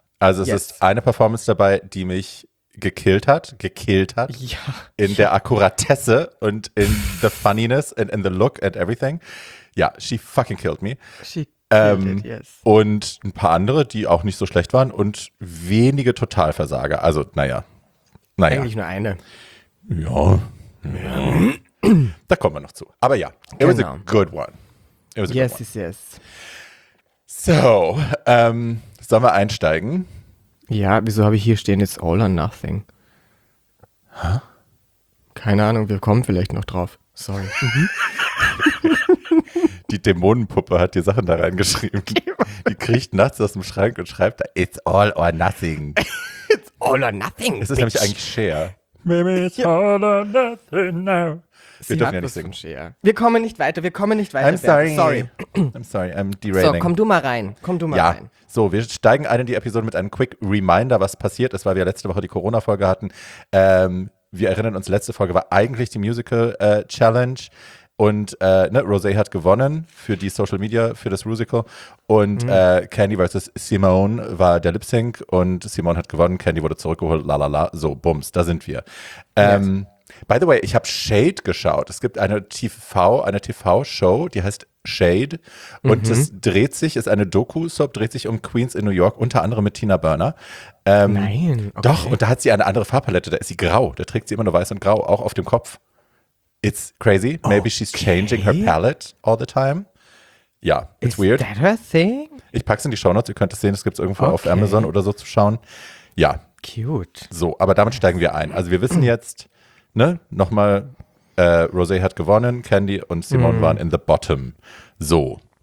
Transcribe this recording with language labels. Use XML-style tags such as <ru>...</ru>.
<de>Also es ist eine Performance dabei, die mich gekillt hat. Ja. In der Akkuratesse und</de> <en>in the funniness and in the look and everything. Ja, she fucking killed me. She killed it, yes.</en> <de>Und ein paar andere, die auch nicht so schlecht waren und wenige Totalversager. Also, naja. Eigentlich nur eine. Ja. Da kommen wir noch zu. Aber ja,</de> <en>it was a good one. Yes.</en> <de>So, sollen wir einsteigen? Ja, wieso habe ich hier stehen,</de> <en>it's all or nothing?</en> <de>Hä? Keine Ahnung, wir kommen vielleicht noch drauf. Sorry. Die Dämonenpuppe hat die Sachen da reingeschrieben. Die kriecht nachts aus dem Schrank und schreibt da,</de> <en>it's all or nothing. It's all or nothing,</en> <de>das ist nämlich eigentlich Cher.</de> <en>Maybe it's all or nothing now.</en> <de>Wir dürfen ja nicht singen. Wir kommen nicht weiter.</de> <en>I'm sorry, I'm derailing.</en> <de>So, komm du mal rein. So, wir steigen ein in die Episode mit einem quick Reminder, was passiert ist, weil wir letzte Woche die Corona-Folge hatten. Wir erinnern uns, letzte Folge war eigentlich die Musical-Challenge. Und ne, Rosé hat gewonnen für die Social Media, für das Rusical. Und Candy versus Simone war der Lip Sync und Simone hat gewonnen, Candy wurde zurückgeholt, lalala, so, Bums, da sind wir.</de> <en>By the way,</en> <de>ich habe Shade geschaut. Es gibt eine TV-Show, die heißt Shade. Und das dreht sich, ist eine Doku-Soap, dreht sich um Queens in New York, unter anderem mit Tina Burner. Nein. Okay. Doch, und da hat sie eine andere Farbpalette. Da ist sie grau. Da trägt sie immer nur weiß und grau, auch auf dem Kopf.</de> <en>It's crazy. Maybe she's changing her palette all the time. Ja, it's weird. Is that her thing?</en> <de>Ich pack's in die Shownotes. Ihr könnt es sehen, es gibt es irgendwo auf Amazon oder so zu schauen. Ja.</de> <en>Cute.</en> <de>So, aber damit steigen wir ein. Also wir wissen jetzt, ne, nochmal, Rosé hat gewonnen, Candy und Simone waren</de> <en>in the bottom.</en> <de>So.</de>